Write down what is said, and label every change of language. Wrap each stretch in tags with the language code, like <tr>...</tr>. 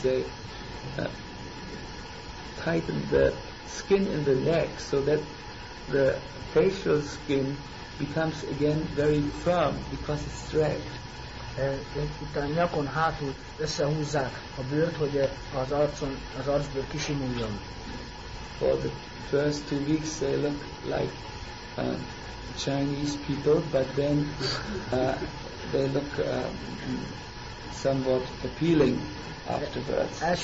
<en>They tighten the skin in the neck so that the facial skin becomes again very firm because it's stretched.</en> <hu>Itt a nyakon hátul összehúzzák a bőrt, hogy az arcon, az arcból kisimuljon.</hu> <en>For the first 2 weeks they look like Chinese people, but then they look somewhat appealing afterwards.</en>